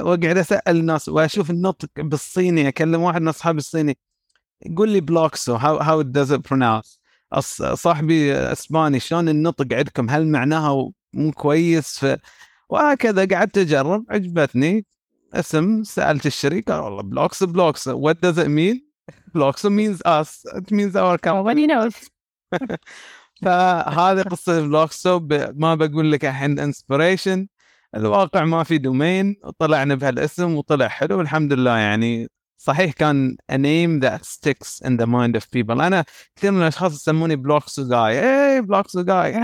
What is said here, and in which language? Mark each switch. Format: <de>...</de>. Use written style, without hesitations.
<ar>وقعد أسأل الناس وأشوف النطق بالصيني، أكلم واحد من أصحابي الصيني يقول لي بلوكسو</ar> <en>how does it pronounce،</en> <ar>صاحبي إسباني شلون النطق عندكم، هل معناها مو كويس؟ وهكذا قعدت أجرب، عجبتني اسم، سألت الشركة والله بلوكس بلوكس</ar> <en>what does it mean،</en> <ar>بلوكس</ar> <en>means us it means our company.</en> <ar>فهذه قصة بلوكس. ما بقول لك الحين inspiration، الواقع ما في دومين، طلعنا بهالاسم وطلع حلو والحمد لله. يعني صحيح كان</ar> <en>a name that sticks in the mind of people.</en> <ar>أنا كثير من الأشخاص يسموني بلوكس guy. إيه بلوكس guy.</ar>